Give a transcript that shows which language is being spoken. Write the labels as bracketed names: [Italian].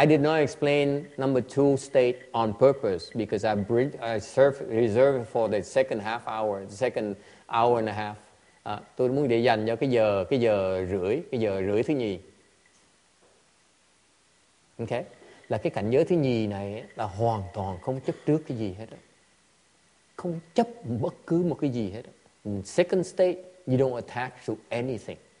[English] I did not explain number two state on purpose because I reserved for the second half hour, the second hour and a half. [Vietnamese] Tôi muốn để dành cho cái giờ rưỡi thứ nhì. Ok. Là cái cảnh giới thứ nhì này là hoàn toàn không chấp trước cái gì hết đó. Không chấp bất cứ một cái gì hết đó. [English] In second state, you don't attach to anything.